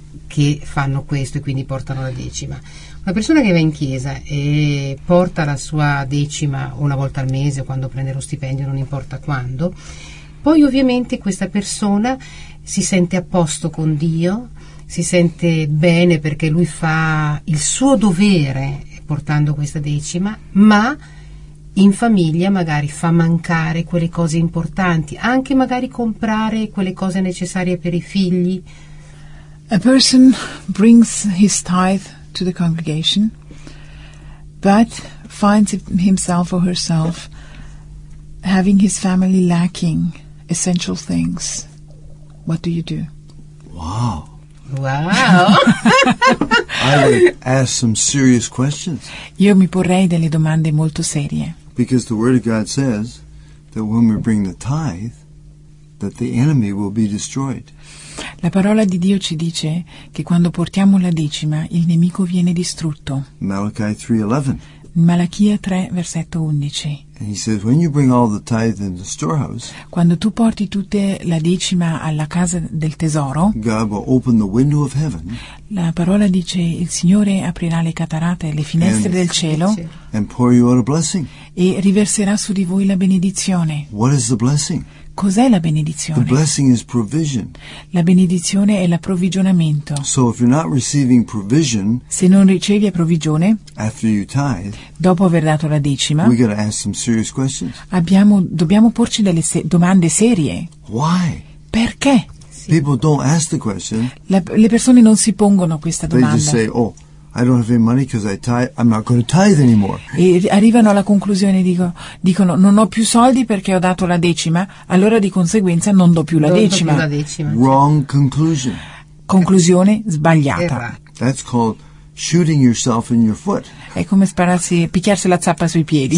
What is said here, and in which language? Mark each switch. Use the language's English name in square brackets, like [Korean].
[Italian] che fanno questo e quindi portano la decima. Una persona che va in chiesa e porta la sua decima una volta al mese, quando prende lo stipendio, non importa quando, poi ovviamente questa persona si sente a posto con Dio, si sente bene perché lui fa il suo dovere portando questa decima, ma in famiglia magari fa mancare quelle cose importanti, anche magari comprare quelle cose necessarie per i figli. [English] A person brings his tithe to the congregation, but finds himself or herself having his family lacking essential things. What do you do? Wow. Wow. I would ask some serious questions. [Italian] Io mi porrei delle domande molto serie. [English] Because the word of God says that when we bring the tithe, that the enemy will be destroyed. [Italian] La parola di Dio ci dice che quando portiamo la decima, il nemico viene distrutto. [English] Malachi 3:11. [Italian] Malachia 3 versetto 11. [English] And he says, when you bring all the tithe in the storehouse, [Italian] quando tu porti tutte la decima alla casa del tesoro, [English] God will open the window of heaven. [Italian] La parola dice, il Signore aprirà le catarate, le finestre del cielo, [English] and pour you out a blessing. [Italian] E riverserà su di voi la benedizione. [English] What is the blessing? [Italian] Cos'è la benedizione? [English] The blessing is provision. [Italian] La benedizione è l'approvvigionamento. [English] So if you're not receiving provision, [Italian] se non ricevi approvvigione, [English] after you tithe, [Italian] dopo aver dato la decima, [English] we gotta ask some serious questions. [Italian] Dobbiamo porci delle domande serie. [English] Why? [Italian] Perché? [English] Sì. People don't ask the question. [Italian] Le persone non si pongono questa domanda. [English] They just say, oh, I don't have any money because I tithe. I'm not going to tithe anymore. [Italian] E arrivano alla conclusione, dicono, non ho più soldi perché ho dato la decima, allora di conseguenza non do più la decima. Non do più la decima. [English] Wrong conclusion. [Italian] Conclusione sbagliata. Errata. [English] That's called shooting yourself in your foot. [Italian] È come spararsi, picchiarsi la zappa sui piedi.